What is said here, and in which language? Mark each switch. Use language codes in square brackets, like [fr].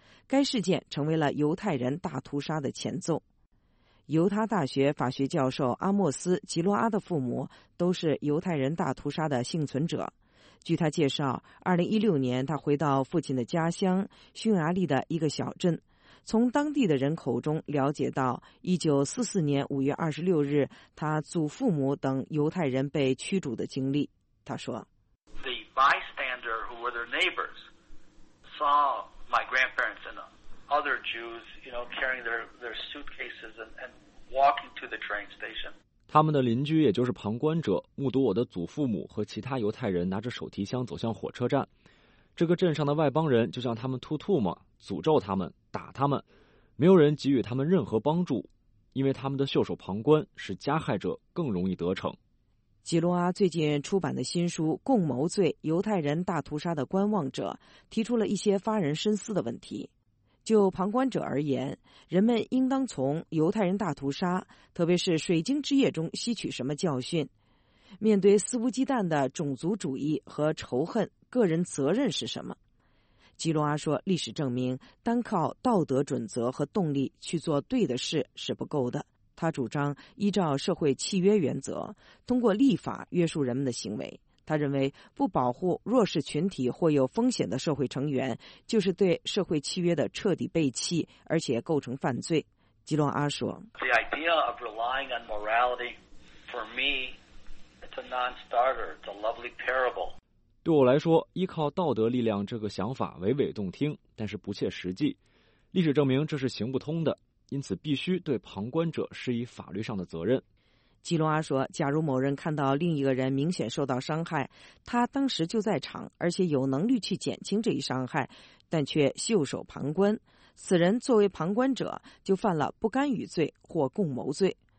[zh] 该事件成为了犹太人大屠杀的前奏。犹他大学法学教授阿莫斯·吉洛阿的父母都是犹太人大屠杀的幸存者。据他介绍，2016年他回到父亲的家乡匈牙利的一个小镇，从当地的人口中了解到1944年5月26日他祖父母等犹太人被驱逐的经历。他说 [en] The bystander who were their neighbors saw my grandparents and other Jews, you know, carrying their suitcases and walking to the train station. [zh] 他们的邻居也就是旁观者目睹我的祖父母和其他犹太人拿着手提箱走向火车站，这个镇上的外邦人就向他们吐吐沫，诅咒他们，打他们，没有人给予他们任何帮助，因为他们的袖手旁观使加害者更容易得逞。吉罗阿最近出版的新书《共谋罪：犹太人大屠杀的观望者》提出了一些发人深思的问题。就旁观者而言，人们应当从犹太人大屠杀，特别是水晶之夜中吸取什么教训？面对肆无忌惮的种族主义和仇恨，个人责任是什么？吉罗阿说，历史证明，单靠道德准则和动力去做对的事是不够的。他主张依照社会契约原则，通过立法约束人们的行为。他认为，不保护弱势群体或有风险的社会成员，就是对社会契约的彻底背弃，而且构成犯罪。吉洛阿说 [en] ：“The idea of relying on morality, for me, it's a non-starter. It's a lovely parable.” [zh] 对我来说，依靠道德力量这个想法娓娓动听，但是不切实际。历史证明这是行不通的，因此必须对旁观者施以法律上的责任。吉隆阿说，假如某人看到另一个人明显受到伤害，他当时就在场，而且有能力去减轻这一伤害，但却袖手旁观，此人作为旁观者就犯了不干预罪或共谋罪。